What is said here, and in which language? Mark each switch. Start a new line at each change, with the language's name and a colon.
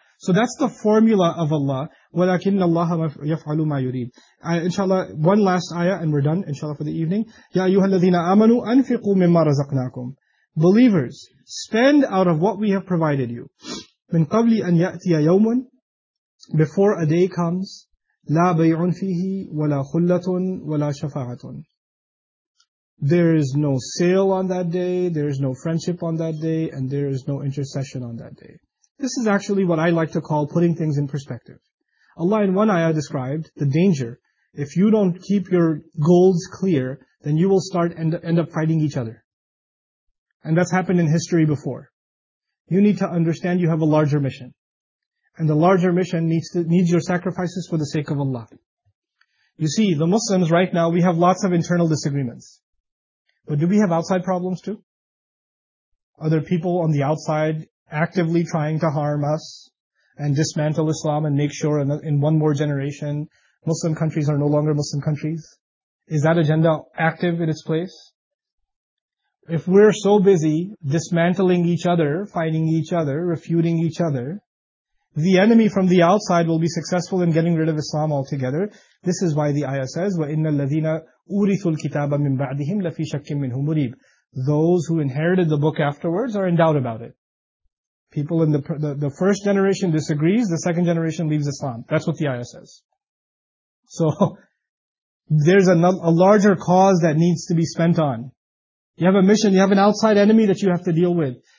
English: So that's the formula of Allah.
Arabic: وَلَكِنَّ اللَّهَ يَفْعَلُ مَا يُرِيدُ.
English: Inshallah, one last ayah and we're done, inshallah, for the evening.
Arabic: يَا أَيُّهَا الَّذِينَ آمَنُوا أَنْفِقُوا مِمَّا رَزَقْنَاكُمْ.
English: Believers, spend out of what we have provided you.
Arabic: مِنْ قَبْلِ أَنْ يَأْتِيَ يَوْمٌ.
English: Before a day comes,
Arabic: لَا بَيْعٌ فِيهِ وَلَا خُلَّةٌ وَلَا شَفَاعَةٌ.
English: There is no sale on that day, there is no friendship on that day, and there is no intercession on that day. This is actually what I like to call putting things in perspective. Allah in one ayah described the danger. If you don't keep your goals clear, then you will start end up fighting each other. And that's happened in history before. You need to understand you have a larger mission. And the larger mission needs your sacrifices for the sake of Allah. You see, the Muslims right now, we have lots of internal disagreements. But do we have outside problems too? Are there people on the outside actively trying to harm us and dismantle Islam and make sure in one more generation Muslim countries are no longer Muslim countries? Is that agenda active in its place? If we're so busy dismantling each other, fighting each other, refuting each other, the enemy from the outside will be successful in getting rid of Islam altogether. This is why the ayah says,
Arabic: وَإِنَّ الَّذِينَ أُورِثُوا الْكِتَابَ مِنْ بَعْدِهِمْ لَفِي شَكٍّ مِنْهُ مُرِيبٍ.
English: Those who inherited the book afterwards are in doubt about it. People in the first generation disagrees, the second generation leaves Islam. That's what the ayah says. So, there's a larger cause that needs to be spent on. You have a mission, you have an outside enemy that you have to deal with.